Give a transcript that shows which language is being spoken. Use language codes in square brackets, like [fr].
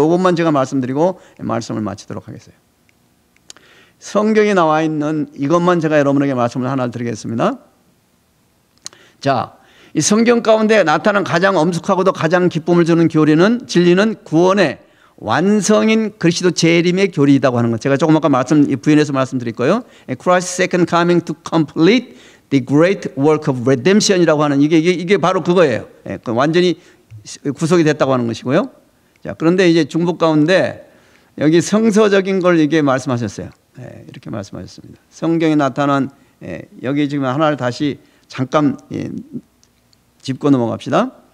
[ko] 이것만 제가 말씀드리고 말씀을 마치도록 하겠습니다. 성경에 나와 있는 이것만 제가 여러분에게 말씀을 하나를 드리겠습니다. 자, 이 성경 가운데 나타난 가장 엄숙하고도 가장 기쁨을 주는 교리는 진리는 구원의 완성인 그리스도 재림의 교리이다고 하는 것. 제가 조금 아까 부인해서 말씀드릴까요? [en] Christ's second coming to complete The Great Work of Redemption이라고 [ko] 하는 이게 바로 그거예요. 예, 그 완전히 구속이 됐다고 하는 것이고요. 자, 그런데 이제 중복 가운데 여기 성서적인 걸 이게 말씀하셨어요. 예, 이렇게 말씀하셨습니다. 성경에 나타난 여기 지금 하나를 다시 잠깐 짚고 넘어갑시다.